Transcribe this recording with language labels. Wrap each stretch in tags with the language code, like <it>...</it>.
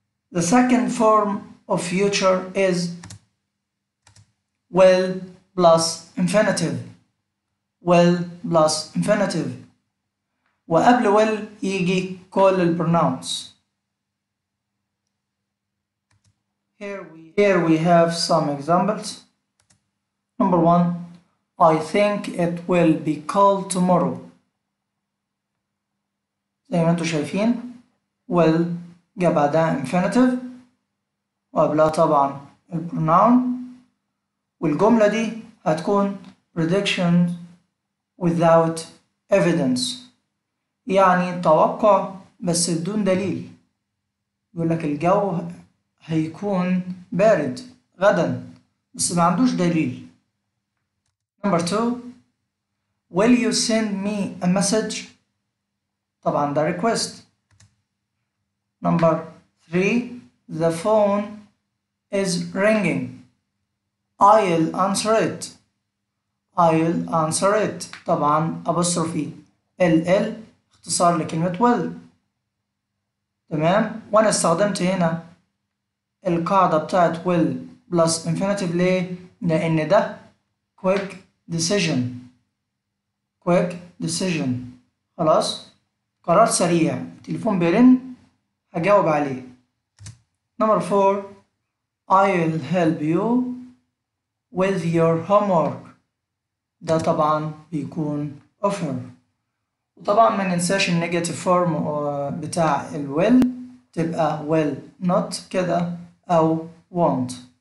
<en>The second form of future is will plus infinitive. Will plus infinitive.</en> <ar>وقبل will يجي كل البرونونس.</ar> <en>Here we have some examples. Number one, I think it will be cold tomorrow.</en> <ar>زي ما انتو شايفين will جا بعدها infinitive وقبلها طبعا البرونون، والجملة دي هتكون</ar> <en>prediction without evidence،</en> <ar>يعني توقع بس بدون دليل. يقولك الجو هيكون بارد غدا بس ما عندوش دليل.</ar> <en>Number two, will you send me a message؟</en> <ar>طبعا ده</ar> <en>request. Number three, the phone is ringing. I'll answer it. I'll answer it.</en> <ar>طبعا apostrophe ll اختصار لكلمة will. تمام؟ وأنا استخدمت هنا القاعدة بتاعت</ar> <en>will plus infinitive</en> <ar>ليه؟ لأن ده</ar> <en>quick decision. Quick decision.</en> <ar>خلاص؟ قرار سريع. التليفون بيرن. هجاوب عليه.</ar> <en>Number four, I'll help you with your homework.</en> <ar>ده طبعا بيكون offer. وطبعا ما ننساش النيجاتيف فورم بتاع ال will، تبقى</ar> <en>will not</en> <ar>كده أو won't.</ar>